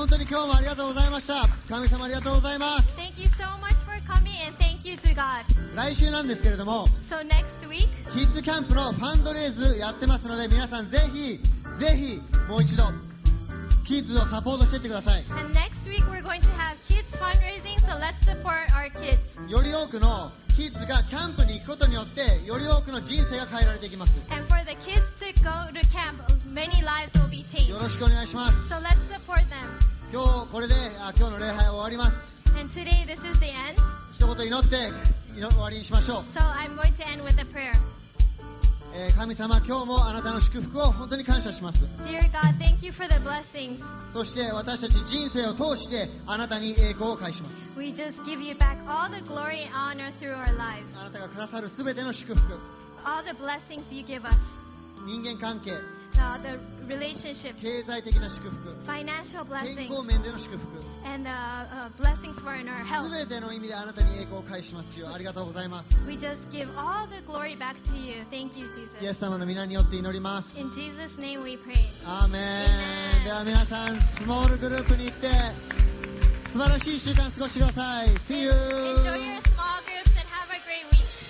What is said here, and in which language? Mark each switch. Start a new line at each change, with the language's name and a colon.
Japanese: 今日もありがとうございました。神様ありがとうございます。
English: Thank you so much for coming and thank you to God.
Japanese: 来週なんですけれども、
English: So next week
Japanese: キッズキャンプのファンドレイズやってますので、皆さんぜひぜひもう一度キッズをサポートしていってください。
English: And next week we're going to have kids fundraising, so let's support our kids.
Japanese: より多くのキッズがキャンプに行くことによって、より多くの人生が変えられていきます。
English: And for the kids to go to camp, many lives will be changed.
Japanese: よろしくお願いします。
English: So let's support them.
Japanese: 今日これで今日の礼拝は終わります。
English: And today this is the end.
Japanese: 一言祈って終わりにしましょう。
English: So I'm going to end with a prayer.
Japanese: 神様、今日もあなたの祝福を本当に感謝します。
English: Dear God, thank you for the blessings.
Japanese: そして私たち人生を通してあなたに栄光を返します。
English: We just give you back all the glory and honor through our lives.
Japanese: あなたがくださるすべての祝福、
English: All the blessings you give us.
Japanese: 人間関係、
English: The relationship.
Japanese: 経済的な祝福、
English: Financial blessings.
Japanese: 健康面での祝福、
English: And the blessings for our health.
Japanese: すべての意味であなたに栄光を返します。主よ、ありがとうございます。
English: We just give all the glory back to you. Thank you, Jesus.
Japanese: イエス様の皆によって祈ります。
English: In Jesus' name we pray.
Japanese: アーメン。では皆さん、スモールグループに行って素晴らしい週間過ごしてください。
English: See you. Enjoy your small groups and have a great week.